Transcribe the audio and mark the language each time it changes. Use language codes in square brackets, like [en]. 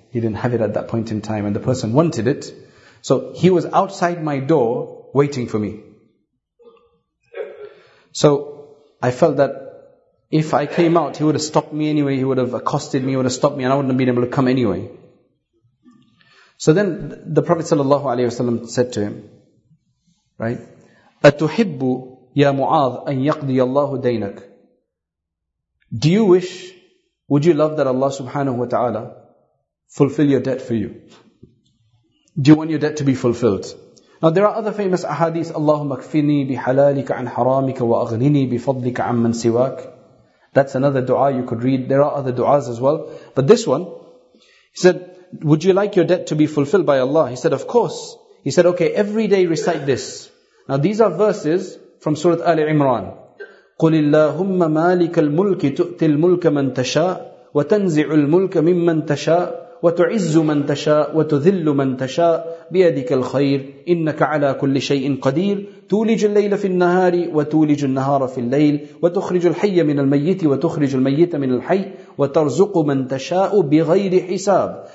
[en] He didn't have it at that point in time. And the person wanted it. So he was outside my door waiting for me. So I felt that if I came out, he would have stopped me anyway. He would have accosted me. He would have stopped me. And I wouldn't have been able to come anyway. So then the Prophet sallallahu alaihi wasallam said to him, right? [ar] أَتُحِبُّ يَا مُعَاذْ أَنْ يَقْضِيَ اللَّهُ دَيْنَكَ. [en] Do you wish, would you love that Allah subhanahu wa ta'ala fulfill your debt for you? Do you want your debt to be fulfilled? Now there are other famous ahadith, [ar] اللَّهُمَّ اكْفِنِي بِحَلَالِكَ عَنْ حَرَامِكَ وَأَغْنِنِي بِفَضْلِكَ عَمَّنْ سِوَاكَ. [en] That's another dua you could read. There are other duas as well. But this one, he said, would you like your debt to be fulfilled by Allah? He said, of course. He said, okay, every day recite this. Now these are verses from Surah Ali Imran. [ar] قُلِ اللَّهُمَّ مَالِكَ الْمُلْكِ تُؤْتِي الْمُلْكَ مَنْ تَشَاءُ وَتَنْزِعُ الْمُلْكَ مِمَّنْ تَشَاءُ وَتُعِزُّ مَنْ تَشَاءُ وَتُذِلُّ مَنْ تَشَاءُ بِيَدِكَ الْخَيْرُ إِنَّكَ عَلَى كُلِّ شَيْءٍ قَدِيرٌ تُولِجُ اللَّيْلَ فِي النَّهَارِ وَتُولِجُ النَّهَارَ فِي اللَّيْلِ وَتُخْرِجُ الْحَيَّ مِنَ الْمَيِّتِ وَتُخْرِجُ الْمَيِّتَ مِنَ الْحَيِّ وَتَرْزُقُ مَنْ تَشَاءُ بِغَيْرِ حِسَابٍ.